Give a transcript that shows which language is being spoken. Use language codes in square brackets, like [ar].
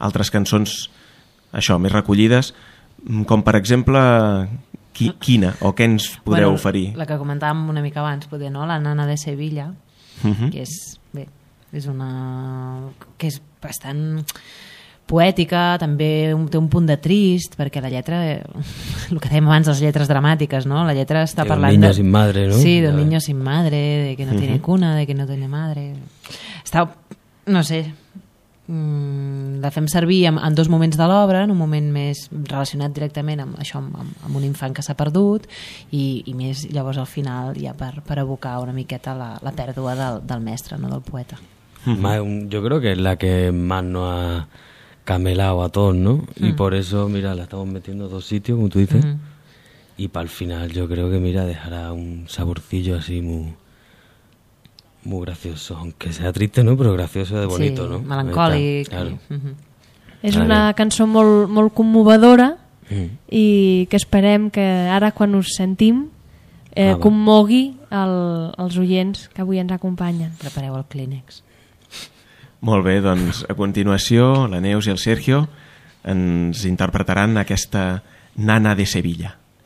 [ca] Altres cançons, això, més recollides, com per exemple, quina o què ens podeu oferir? La que comentàvem una mica abans, poder, no? La Nana de Sevilla, uh-huh. Que és, bé, és una... que és bastant poètica, també té un punt de trist, perquè la lletra, el que dèiem abans, les lletres dramàtiques, no? La lletra està de parlant... [es] De un niño sin madre, no? Sí, de un niño sin madre, de que no tiene cuna, de que no tiene madre... [ca] Està, no sé, la fem servir en dos moments de l'obra, en un moment més relacionat directament amb això, amb un infant que s'ha perdut, i més llavors al final ja per evocar una miqueta la pèrdua del mestre, no del poeta. Mm-hmm. Jo crec que és la que més no ha... [es] camelado a todos, ¿no? Mm. Y por eso, mira, la estamos metiendo en dos sitios, como tú dices, y para el final yo creo que, mira, dejará un saborcillo así muy, muy gracioso, aunque sea triste, ¿no? Pero gracioso de bonito, sí, ¿no? [ca] Sí, melancòlic. [es] Claro. [ca] És una cançó molt, molt conmovedora i que esperem que ara, quan us sentim, conmogui els oients que avui ens acompanyen. Prepareu el Kleenex. Molt bé, doncs a continuació la Neus i el Sergio ens interpretaran aquesta Nana de Sevilla.